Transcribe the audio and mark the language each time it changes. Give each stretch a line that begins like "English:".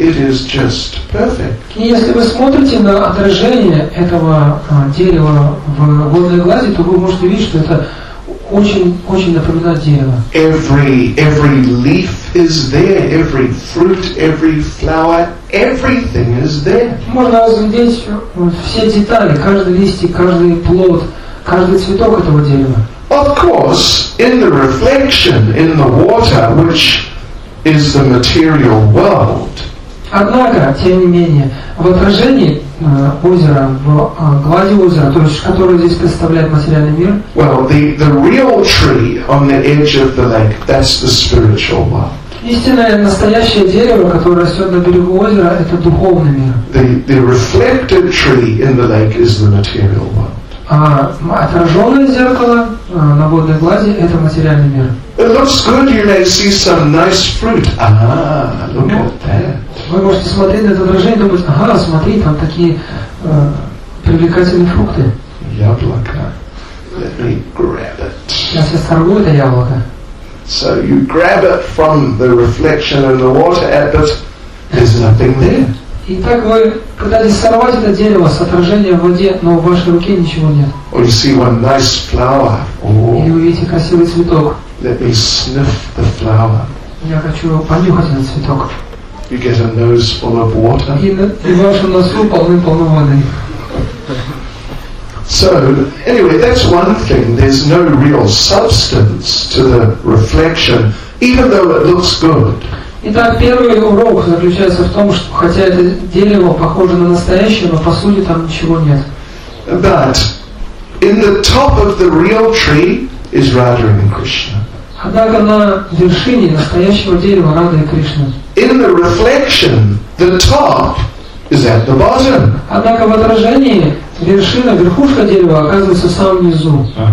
English: It is just perfect.
Russian: И если вы смотрите на отражение этого дерева в водной глади, то вы можете видеть, что это очень напоминает дерево.
English: Every leaf is there, every fruit, every flower, everything is there.
Russian: Можно разглядеть все детали, каждый листик, каждый плод, каждый цветок этого дерева.
English: Of course, in the reflection, in the water, which is the material world.
Russian: Однако, тем не менее, в отражении озера, в глади озера, то есть которое здесь представляет материальный мир.
English: Well, the real tree on the edge of the lake, that's the spiritual one.
Russian: Истинное настоящее дерево, которое растет на берегу озера, это духовный мир.
English: The reflected tree in the lake is the material one.
Russian: А отраженное зеркало на водной глади — это материальный мир.
English: It looks good, you may see some nice fruit. Ah, look at that.
Russian: Вы можете смотреть на это отражение и думать, ага, смотри, там такие привлекательные фрукты. Яблоко.
English: Let me grab it.
Russian: Сейчас я сорву это яблоко.
English: So you grab it from the reflection in the water, but there's nothing there.
Russian: И так вы пытались сорвать это дерево с отражением в воде, но в вашей руке ничего нет.
English: Oh, you see one nice flower. Oh.
Russian: И вы видите красивый цветок.
English: Let me sniff the flower.
Russian: Я хочу понюхать этот цветок.
English: You get a nose full of water.
Russian: И ваши носы полны воды.
English: So, anyway, that's one thing. There's no real substance to the reflection, even though it looks good.
Russian: Итак, первый урок заключается в том, что хотя это дерево похоже на настоящее, но по сути там ничего нет.
English: But in the top of the real tree is Radha and Krishna.
Russian: Однако на вершине настоящего дерева Радха и Кришна.
English: In the reflection, the top is at the bottom.
Russian: Однако в отражении вершина, верхушка дерева оказывается в самом низу.